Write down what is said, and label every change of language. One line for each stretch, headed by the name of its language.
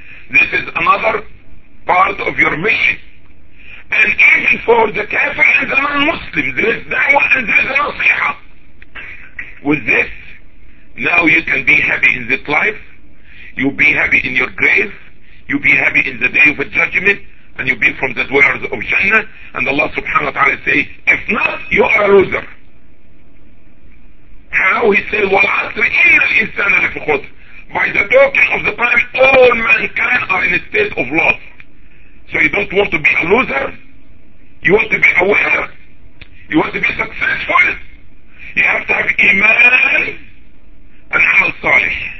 English: This is another part of your mission. And even for the kafir and the non-Muslim, there is da'wah and there is nasiha. With this, now you can be happy in this life, you'll be happy in your grave, you be happy in the day of judgment, and you be from the dwellers of Jannah, and Allah subhanahu wa ta'ala say, if not, you are a loser. How he said,
Arabic: وَالْعَصْرِ إِنَّ الْإِنسَانَ لَفِي خُسْرٍ.
English: By the talking of the time, all mankind are in a state of loss. So you don't want to be a loser, you want to be aware, you want to be successful, you have to have iman and amal salih.